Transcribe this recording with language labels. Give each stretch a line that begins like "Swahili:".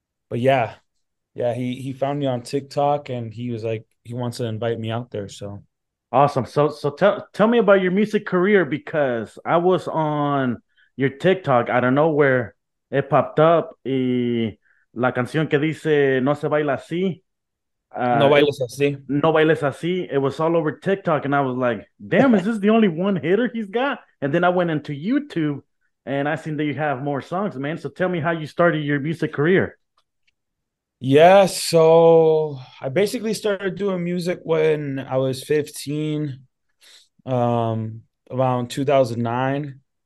English: But yeah, he found me on TikTok and he was like, he wants to invite me out there. So awesome. So tell me about your music career, because I was on your TikTok out of nowhere. It popped up.
Spanish: Y la canción que dice no se baila así. No bailes así.
English: It was all over TikTok, and I was like, damn, is this the only one hitter he's got? And then I went into YouTube and I seen that you have more songs, man. So tell me how you started your music career. Yeah, so I basically started doing music when I was 15, around 2009.